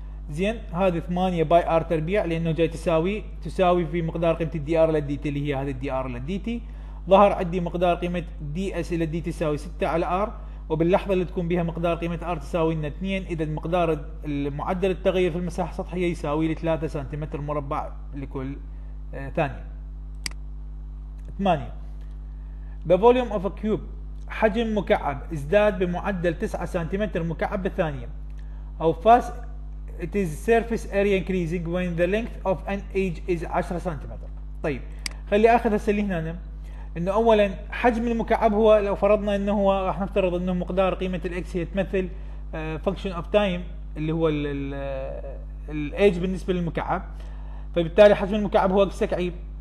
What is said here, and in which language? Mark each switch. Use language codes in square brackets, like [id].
[ar] زين هذه 8 باي ار تربيع لانه جاي تساوي في مقدار قيمه الدي ار لدي تي اللي هي هذه الدي ار لدي تي، ظهر عندي مقدار قيمه دي اس لدي تي تساوي 6 على ار، وباللحظه اللي تكون بها مقدار قيمه ار تساوي لنا 2، اذا مقدار معدل التغير في المساحه السطحيه يساوي لي 3 سنتيمتر مربع لكل ثانيه. 8، [en] the volume of a cube [ar] حجم مكعب ازداد بمعدل 9 سنتيمتر مكعب بالثانية. [en] أو فاس it is surface area increasing when the length of an edge is 10 centimetre. [ar] طيب خلي اخذ هسه اللي هنا انه اولا حجم المكعب هو لو فرضنا انه هو راح نفترض انه مقدار قيمه الاكس هي تمثل فانكشن اوف تايم اللي هو الايج بالنسبه للمكعب، فبالتالي حجم المكعب هو اكس كعيب.